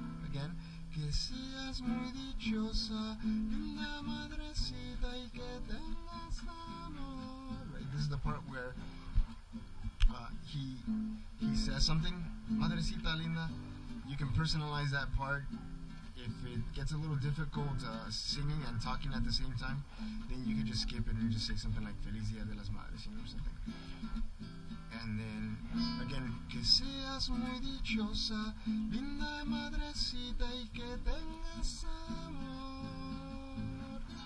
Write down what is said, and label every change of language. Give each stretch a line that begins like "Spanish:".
Spanish: Again, que seas muy dichosa, linda madrecita, y que tengas amor.
English: Right, this is the part where he says something,
Spanish: madrecita linda.
English: You can personalize that part. If it gets a little difficult singing and talking at the same time, then you can just skip it and just say something like
Spanish: Feliz Día de las Madres,
English: you know, or something. And then, again,
Spanish: que seas muy dichosa, linda madrecita, y que tengas amor.